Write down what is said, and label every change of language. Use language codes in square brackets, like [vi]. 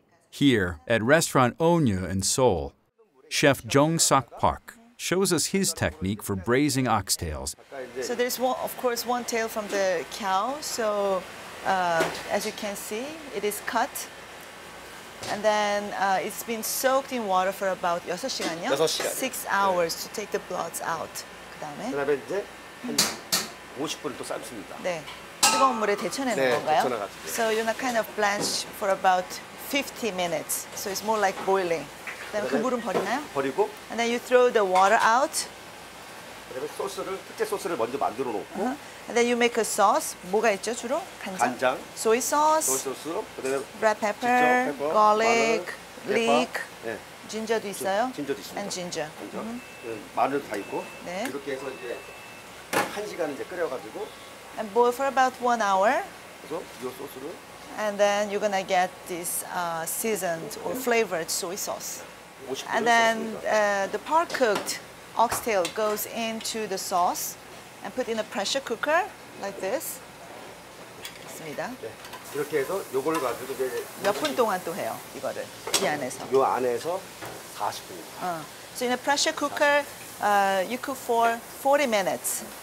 [en] Here, at restaurant Onyu in Seoul, Chef Jong Sok Park shows us his technique for braising oxtails. So there's, one tail from the cow. So as you can see, it is cut. And then it's been soaked in water for about 6 hours to take the bloods out. [ko] 그다음에 50분 또 삶습니다. 네, 뜨거운 물에 데쳐내는 네, 건가요? [en] So you're gonna kind of blanch for about 50 minutes. So it's more like boiling. Then [ko] 그 물은 버리나요? 버리고. [en] And then you throw the water out. [ko] 그다음에 소스를 특제 소스를 먼저 만들어 놓고. [en] And then you make a sauce. [ko] 뭐가 있죠 주로? 간장. 간장. [en] Soy sauce. Soy sauce. [ko] 그다음에 [en] red pepper, 진저, pepper garlic, [ko] 마늘, leek. 네. 진저도 있어요? 진저도 있습니다. [en] And ginger. [ko] 진저. 마늘도 다 있고. 네. 이렇게 해서 이제 한 시간 이제 끓여가지고. [en] And boil for about 1 hour. [ko] 그래서 이 소스를. [en] And then you're gonna get this seasoned or flavored soy sauce. And then the part cooked oxtail goes into the sauce and put in a pressure cooker like this. [ko] 있습니다. 네, 이렇게 해서 요걸 가지고 이제 몇 분 동안 또 해요 이거를 이 안에서. 요 안에서 40분. [en] So in a pressure cooker, you cook for 40 minutes.